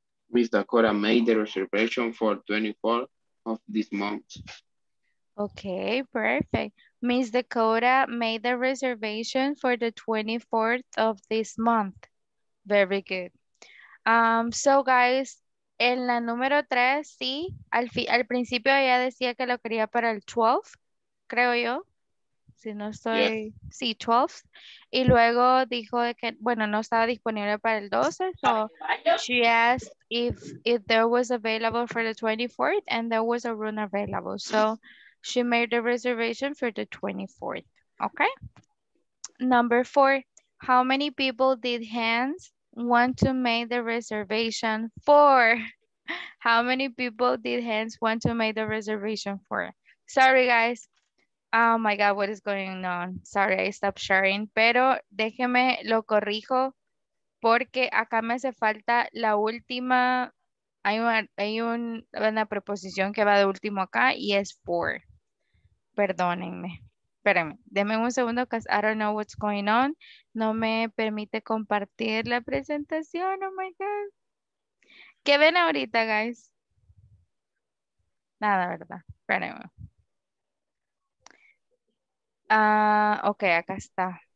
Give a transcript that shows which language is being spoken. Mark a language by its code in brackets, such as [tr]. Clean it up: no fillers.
[en] Miss Dakota made the reservation for 24 of this month. Okay, perfect. Miss Dakota made the reservation for the 24th of this month. Very good. [es] So guys, en la número 3, sí, al principio ella decía que lo quería para el 12th, creo yo. Si no estoy, yes. Sí, 12th. Y luego dijo de que, bueno, no estaba disponible para el 12th. [en] So she asked if there was available for the 24th and there was a room available. So she made the reservation for the 24th. Okay. Number 4. How many people did Hans want to make the reservation for? How many people did Hans want to make the reservation for? Sorry, guys. Oh my God, what is going on? Sorry, I stopped sharing. [es] Pero déjeme lo corrijo porque acá me hace falta la última. Hay una preposición que va de último acá y es for. Perdónenme. Espérenme. Deme un segundo [en] because I don't know what's going on. [es] No me permite compartir la presentación. [en] Oh my God. [es] ¿Qué ven ahorita, guys? Nada, ¿verdad? Espérenme. Ok, acá está.